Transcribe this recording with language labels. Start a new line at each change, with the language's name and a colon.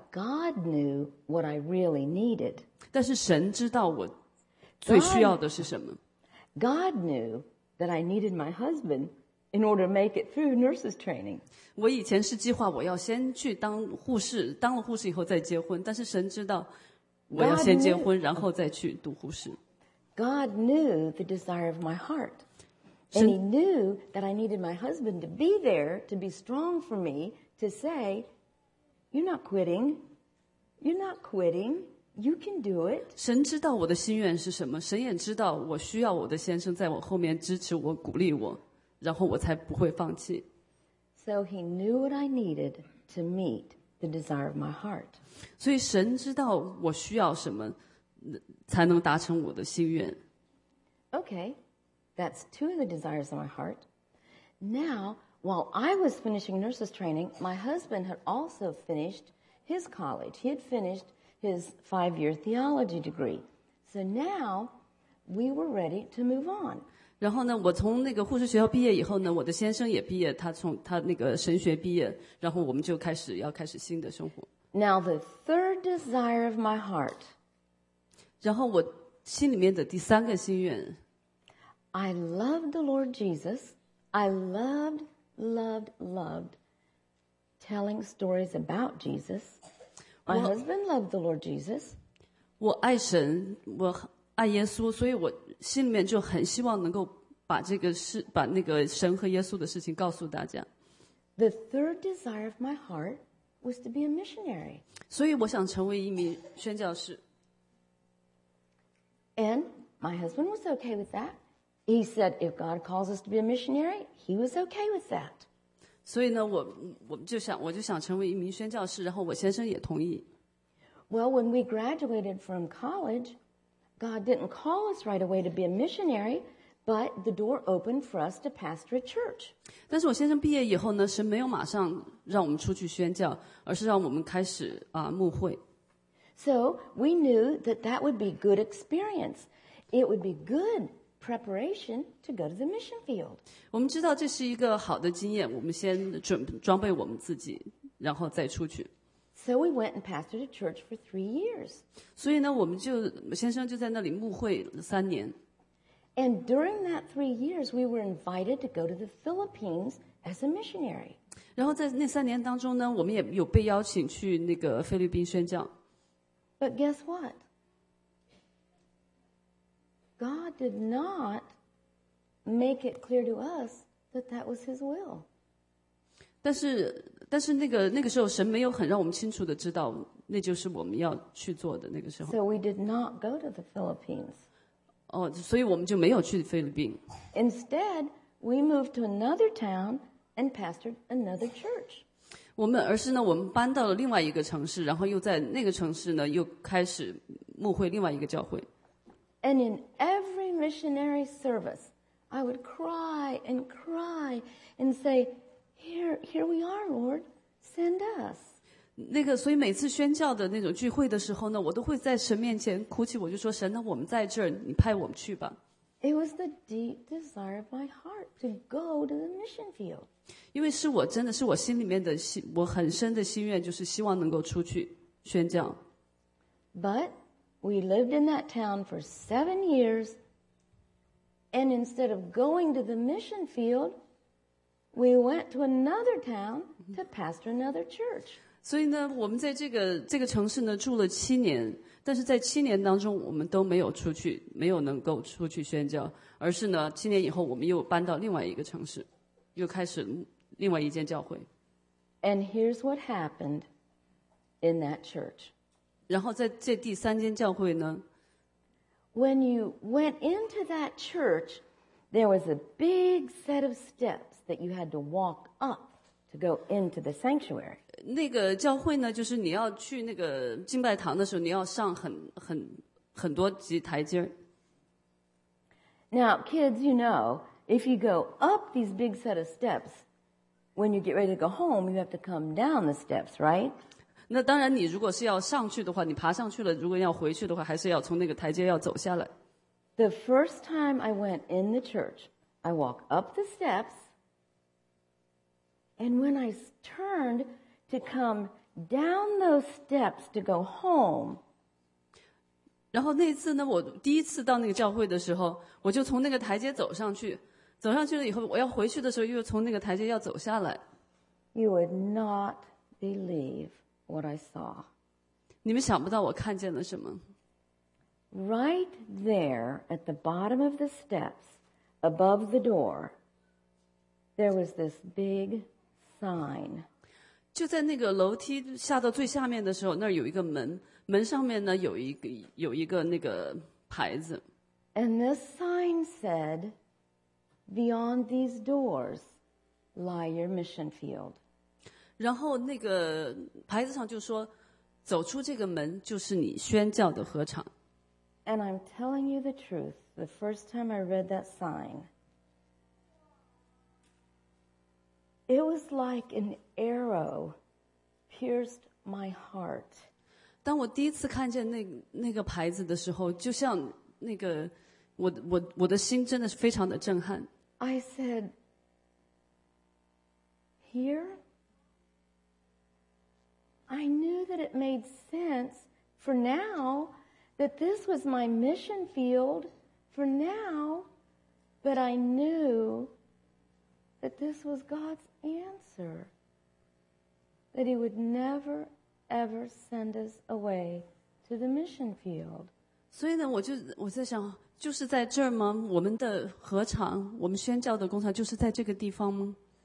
English: God knew what I really needed.
Chinese: 但是神知道我最需要的是什么。God
English: knew that I needed my husband in order to make it through nurses training.
Chinese: 我以前是计划我要先去当护士，当了护士以后再结婚。但是神知道，我要先结婚，然后再去读护士。
English: God knew the desire of my heart. And he knew that I needed my husband to be there, to be strong for me, to say, you're not quitting. You're not quitting. You can do it.
Chinese: 神知道我的心愿是什么，神也知道我需要我的先生在我后面支持我，鼓励我，然后我才不会放弃。
English: So he knew what I needed to meet the desire of my heart.
Chinese: 所以神知道我需要什么，才能达成我的心愿。
English: Okay, that's two of the desires of my heart. Now, while I was finishing nurses training, my husband had also finished his college. He had finished his 5-year theology degree. So now, we were ready to move on.
Chinese: 然后呢，我从那个护士学校毕业以后呢，我的先生也毕业，他从他那个神学毕业，然后我们就开始要开始新的生活。
English: Now the third desire of my heart.
Chinese: 然后我心里面的第三个心愿。
English: I loved the Lord Jesus. I loved, loved, loved telling stories about Jesus. My husband loved the Lord Jesus.
Chinese: 我爱神，我爱耶稣，所以我心里面就很希望能够把这个事，把那个神和耶稣的事情告诉大家。
English: The third desire of my heart was to be a missionary.
Chinese: 所以我想成为一名宣教士。
English: And my husband was okay with that. He said, if God calls us to be a missionary, he was okay with that.
Chinese: 所以呢，我就想成为一名宣教士，然后我先生也同意。
English: Well, when we graduated from college,God didn't call us right away to be a missionary, but the door opened for us to pastor a church.
Chinese: 但是我先生毕业以后呢，神没有马上让我们出去宣教，而是让我们开始牧会。
English: So we knew that that would be good experience. It would be good preparation to go to the mission field.
Chinese: 我们知道这是一个好的经验，我们先装备我们自己，然后再出去。
English: So we went and pastored a church for 3 years.
Chinese: 所以呢，我们就先生就在那里牧会三年。
English: And during that 3 years, we were invited to go to the Philippines as a missionary.
Chinese: 然后在那三年当中呢，我们也有被邀请去那个菲律宾宣教。
English: But guess what? God did not make it clear to us that that was His will.
Chinese: 但是那个时候，神没有很让我们清楚的知道，那就是我们要去做的那个时候。
English: So we did not go to the Philippines.
Chinese: 哦，所以我们就没有去菲律宾。
English: Instead, we moved to another town and pastored another church.
Chinese: 我们而是呢，我们搬到了另外一个城市，然后又在那个城市呢，又开始牧会另外一个教会。
English: And in every missionary service, I would cry and cry and say,Here we are, Lord. Send us.
Chinese: 那个，所以每次宣教的那种聚会的时候呢，我都会在神面前哭泣。我就说，神呢，我们在这儿，你派我们去吧。
English: It was the deep desire of my heart to go to the mission field.
Chinese: 因为是我真的是我心里面的心，我很深的心愿就是希望能够出去宣教。
English: But we lived in that town for 7 years, and instead of going to the mission field. We went to another town to pastor another church.
Chinese: 所以呢，我们在这个城市呢住了七年，但是在七年当中，我们都没有出去，没有能够出去宣教，而是呢，七年以后我们又搬到另外一个城市，又开始另外一间教会。
English: And here's what happened in that church.
Chinese: 然后在这第三间教会呢
English: ，When you went into that church, there was a big set of steps. That you had to walk up to go into the sanctuary.
Chinese: 那个教会呢，就是你要去那个敬拜堂的时候，你要上很多级台阶。
English: Now, kids, you know, if you go up these big set of steps, when you get ready to go home, you have to come down the steps, right?
Chinese: 那当然，你如果是要上去的话，你爬上去了，如果要回去的话，还是要从那个台阶要走下来。
English: The first time I went in the church, I walk up the steps. And when I turned to come down those steps to go home,
Chinese: 然后那次呢，我第一次到那个教会的时候，我就从那个台阶走上去，走上去了以后，我要回去的时候，又从那个台阶要走下来。
English: You would not believe what I saw.
Chinese: 你们想不到我看见了什么。
English: Right there at the bottom of the steps, above the door, there was this big sign.
Chinese: 就在那个楼梯下到最下面的时候，那儿有一个门，门上面呢有一个那个牌子。
English: And this sign said, "Beyond these doors lie your mission field."
Chinese: 然后那个牌子上就说，走出这个门就是你宣教的合场。
English: And I'm telling you the truth. The first time I read that sign, it was like an arrow pierced my heart.
Chinese: 当我第一次看见那个牌子的时候，就像那个我的心真的是非常的震撼。
English: I said, "Here." I knew that it made sense for now. That this was my mission field for now, but I knew that this was God's answer. That He would never, ever send us away to the mission field.
Chinese: 所以呢，我在想，就是在这儿吗？我们的合场，我们宣教的工厂，就是在这个地方吗？